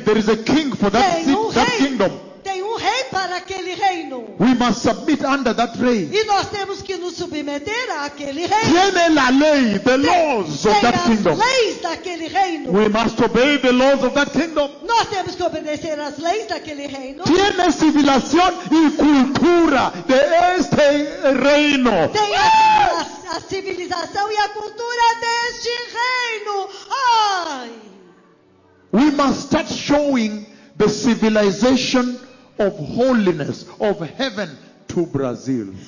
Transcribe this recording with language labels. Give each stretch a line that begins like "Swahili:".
English: There is a king for that, that kingdom.
Portuguese: Tem um rei para aquele reino.
English: We must submit under that reign.
Portuguese: E nós temos que nos submeter àquele reino.
Spanish: Tiene la ley,
English: the laws of that kingdom.
Portuguese: Tem as leis daquele reino.
English: We must obey the laws of that kingdom.
Portuguese: Nós temos que obedecer às leis daquele reino.
Spanish: Tiene civilización y cultura de este reino.
Portuguese: Tem a civilização e a cultura deste reino. Ai.
English: We must start showing the civilization of holiness of heaven to Brazil.